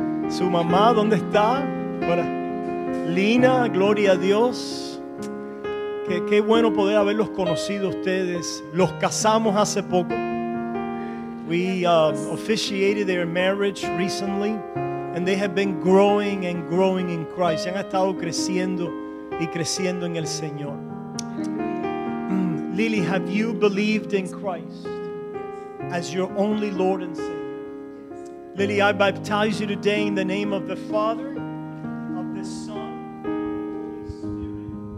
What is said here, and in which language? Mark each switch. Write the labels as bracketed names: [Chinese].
[Spanish] Su mamá, ¿dónde está? Lina, gloria a Dios. qué bueno poder haberlos conocido ustedes. Los casamos hace poco. [English] We officiated their marriage recently, and they have been growing and growing in Christ. [Spanish] Han estado creciendo y creciendo en el Señor. [English] Lily, have you believed in Christ as your only Lord and Savior? Lily, I baptize you today in the name of the Father, of the Son, and of the Holy Spirit,